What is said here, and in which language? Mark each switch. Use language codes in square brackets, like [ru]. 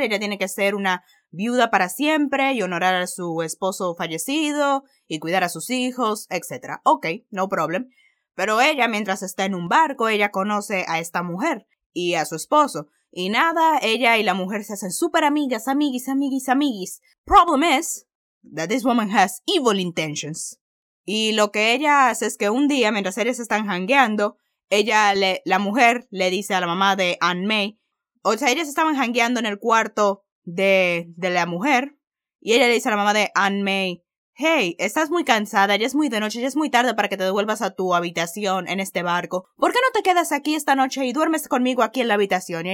[es] Ella tiene que ser una viuda para siempre y honrar a su esposo fallecido y cuidar a sus hijos, etc. [en] Ok, no problem. [es] Pero ella, mientras está en un barco, ella conoce a esta mujer y a su esposo. Y nada, ella y la mujer se hacen súper amigas, amiguis, amiguis, amiguis. [en] Problem is that this woman has evil intentions. [es] Y lo que ella hace es que un día, mientras ellas están jangueando, la mujer le dice a la mamá de An Mei, o sea, ellas estaban jangueando en el cuarto de la mujer, y ella le dice a la mamá de An Mei, hey, estás muy cansada, ya es muy de noche, ya es muy tarde para que te devuelvas a tu habitación en este barco, ¿por qué no te quedas aquí esta noche y duermes conmigo aquí en la habitación?